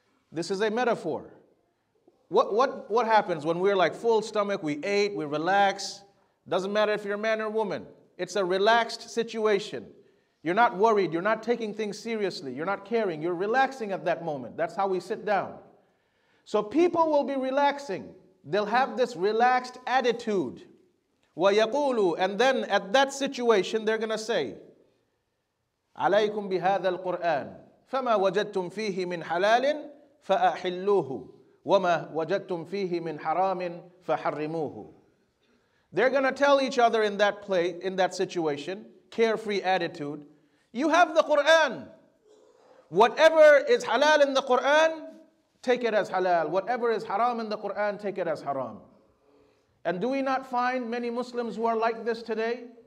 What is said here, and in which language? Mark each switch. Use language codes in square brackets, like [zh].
[en] This is a metaphor. What happens when we're like full stomach, we ate, we relax? Doesn't matter if you're a man or woman. It's a relaxed situation. You're not worried, you're not taking things seriously, you're not caring, you're relaxing at that moment. That's how we sit down. So people will be relaxing. They'll have this relaxed attitude. [ar] وَيَقُولُ, [en] and then at that situation, they're going to say, [ar] عَلَيْكُمْ بِهَذَا الْقُرْآنِ فَمَا وَجَدْتُمْ فِيهِ مِنْ حَلَالٍ فَأَحِلُّوهُ وَمَا وَجَدْتُمْ فِيهِ مِنْ حَرَامٍ فَحَرِّمُوهُ. [en] They're going to tell each other in that place, in that situation, carefree attitude, you have the Qur'an. Whatever is halal in the Qur'an, take it as halal. Whatever is haram in the Qur'an, take it as haram. And do we not find many Muslims who are like this today?